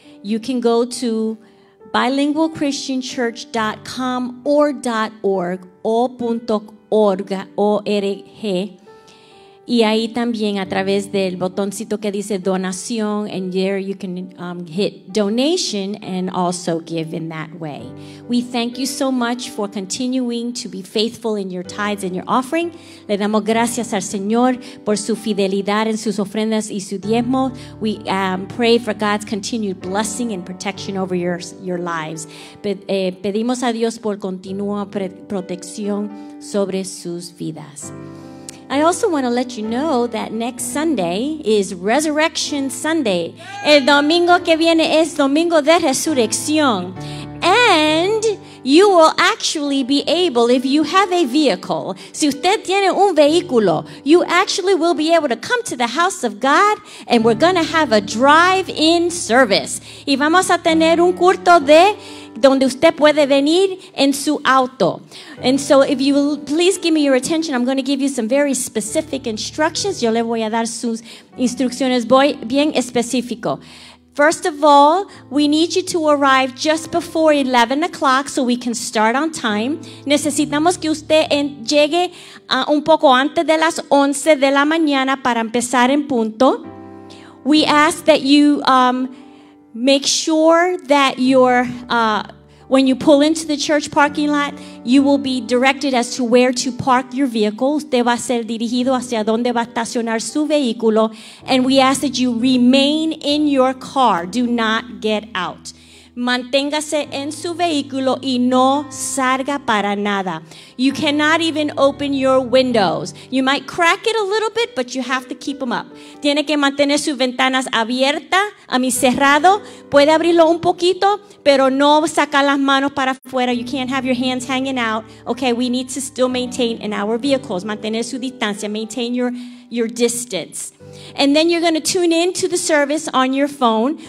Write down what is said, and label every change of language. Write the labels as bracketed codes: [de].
[en] You can go to bilingualchristianchurch.com or .org [es] o .org O-R-G, y ahí también a través del botoncito que dice donación, [en] and there you can hit donation and also give in that way. We thank you so much for continuing to be faithful in your tithes and your offering. [es] Le damos gracias al Señor por su fidelidad en sus ofrendas y su diezmo. [en] We pray for God's continued blessing and protection over your lives. [es] Pedimos a Dios por continua protección sobre sus vidas. [en] I also want to let you know that next Sunday is Resurrection Sunday. [es] El domingo que viene es Domingo de Resurrección. [en] And you will actually be able, if you have a vehicle, [es] si usted tiene un vehículo, [en] you actually will be able to come to the house of God, and we're going to have a drive-in service. [es] Y vamos a tener un culto de donde usted puede venir en su auto. [en] And so if you will please give me your attention, I'm going to give you some very specific instructions. [es] Yo le voy a dar sus instrucciones bien específico. [en] First of all, we need you to arrive just before 11 o'clock so we can start on time. [es] Necesitamos que usted llegue un poco antes de las 11 de la mañana para empezar en punto. [en] We ask that you make sure that your when you pull into the church parking lot, you will be directed as to where to park your vehicle. [es] Usted va a ser dirigido hacia donde va a estacionar su vehículo. [en] And we ask that you remain in your car. Do not get out. [es] Manténgase en su vehículo y no salga para nada. [en] You cannot even open your windows. You might crack it a little bit, but you have to keep them up. [es] Tiene que mantener sus ventanas abiertas, a mi cerrado. Puede abrirlo un poquito, pero no sacar las manos para afuera. [en] You can't have your hands hanging out. Okay, we need to still maintain in our vehicles. [es] Mantener su distancia, [en] maintain your distance. And then you're going to tune in to the service on your phone.